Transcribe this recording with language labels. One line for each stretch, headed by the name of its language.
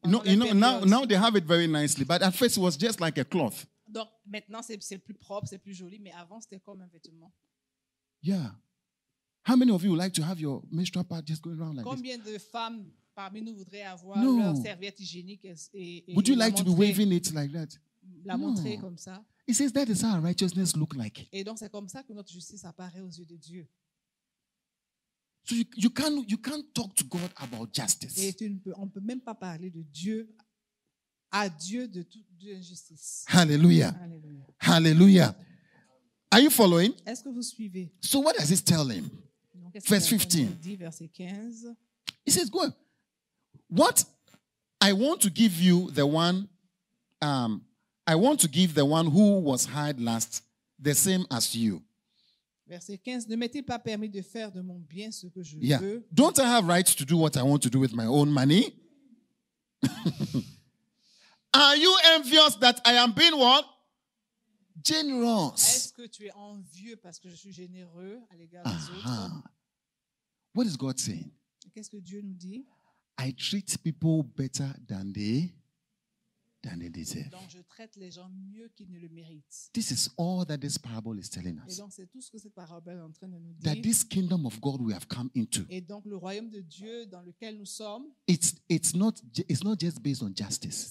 English: No, you know, now they have it very nicely, but at first it was just like a cloth.
French: Donc maintenant c'est plus propre, c'est plus joli, mais avant c'était comme un vêtement.
English: Yeah. How many of you would like to have your menstrual pad just going around like
French: combien
English: this?
French: Combien de femmes parmi nous voudraient avoir no. leur serviette hygiénique et
English: would you like to be waving it like that?
French: La montrer no. comme ça.
English: He says that is how our righteousness look like.
French: Et donc c'est comme ça que notre justice apparaît aux yeux de Dieu.
English: So you can't talk to God about justice.
French: Et on peut même pas parler de Dieu à Dieu de toute injustice.
English: Hallelujah. Hallelujah. Hallelujah. Are you following?
French: Est-ce que vous suivez?
English: So what does this tell him?
French: Donc, verse 15. Verset 15.
English: He says, "Go. What I want to give you the one." I want to give the one who was hired last the same as you.
French: Verset 15. Ne m'est-il pas permis de faire de mon bien ce que je veux?
English: Yeah. Don't I have rights to do what I want to do with my own money? Are you envious that I am being what? Generous.
French: Est-ce que tu es envieux parce que je suis généreux à l'égard des autres?
English: What is God saying?
French: Qu'est-ce que Dieu nous dit?
English: I treat people better than they deserve.
French: Donc je traite les gens mieux qu'ils ne le méritent.
English: This is all that this parable is telling us.
French: Et donc c'est tout ce que cette parabole est en train de nous dire.
English: That this kingdom of God we have come into.
French: Et donc le royaume de Dieu dans lequel nous sommes.
English: It's not just based on justice.